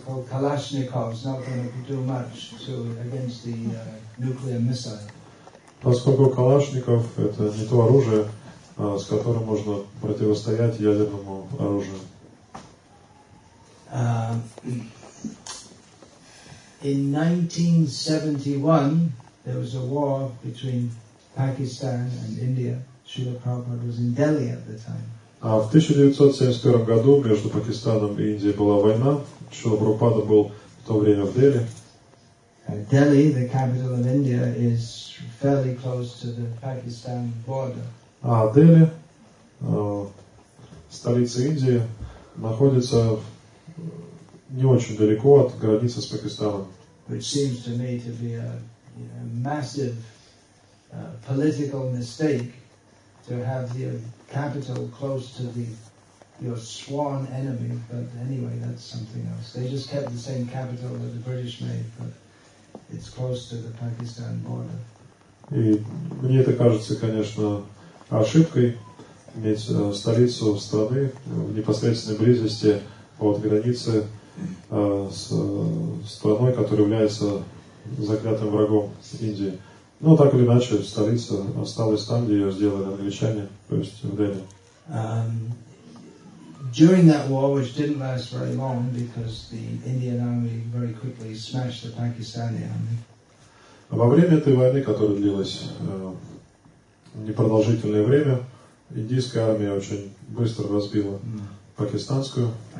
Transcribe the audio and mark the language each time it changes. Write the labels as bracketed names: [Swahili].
[English] Калашников not going to do much against the nuclear missile. [Russian] Поскольку калашников – это не то оружие, с которым можно противостоять ядерному оружию. [English] In 1971, there was a war between Pakistan and India. Srila Prabhupada was in Delhi at the time. [Russian] А в 1971 году между Пакистаном и Индией была война. Шрила Прабхупада был в то время в Дели. [English] Delhi, the capital of India, is fairly close to the Pakistan border. [Russian] А Дели, столица Индии, находится не очень далеко от границы с Пакистаном. [English] Which seems to me to be a massive political mistake to have the capital close to the your sworn enemy. But anyway, that's something else. They just kept the same capital that the British made, but it's close to the Pakistan border. [Russian] И мне это кажется, конечно, ошибкой иметь столицу страны в непосредственной близости от границы с страной, которая является заклятым врагом Индии. Но так или иначе, столица осталась там, где ее сделали англичане, то есть в Дели. [English] During that war, which didn't last very long, because the Indian army very quickly smashed the Pakistani army. [Russian] Во время этой войны, которая длилась непродолжительное время, индийская армия очень быстро разбила пакистанскую.